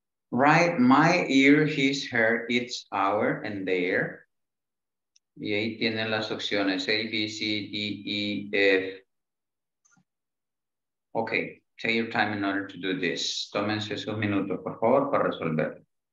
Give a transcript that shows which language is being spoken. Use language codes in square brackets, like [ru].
[en] Right, my ear, his, her, its, our, and their. [es] Y ahí tienen las opciones A, B, C, D, E, F. [en] Okay, take your time in order to do this. [es] Tómense sus minutos, por favor, para resolverlo.